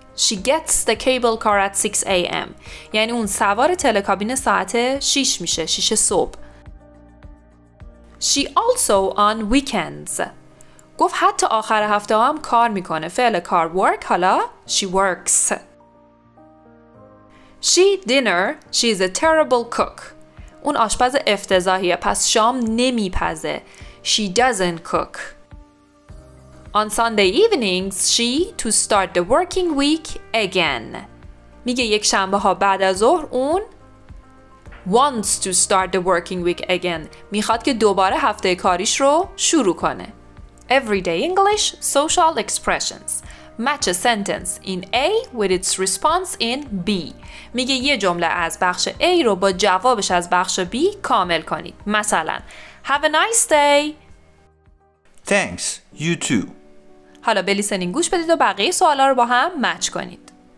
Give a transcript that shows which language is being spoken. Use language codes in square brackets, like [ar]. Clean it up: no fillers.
[en] She gets the cable car at 6 a.m. [fa] یعنی اون سوار تلکابین ساعت 6 میشه. 6 صبح. [en] She also on weekends. [fa] گفت حتی آخر هفته هم کار میکنه. فعل کار work. حالا [en] she works. She dinner. She is a terrible cook. [fa] اون آشپز افتضاحیه. پس شام نمیپزه. [en] She doesn't cook. On Sunday evenings, she to start the working week again. [fa] میگه یک شنبه ها بعد از ظهر اون [en] wants to start the working week again. [fa] میخواد که دوباره هفته کاریش رو شروع کنه. [en] Everyday English social expressions. Match a sentence in A with its response in B. [fa] میگه یه جمله از بخش A رو با جوابش از بخش B کامل کنید. مثلا [en] Have a nice day. Thanks. You too. [fa] حالا بلیسنینگ گوش بدید و بقیه سوالا رو با هم مچ کنید.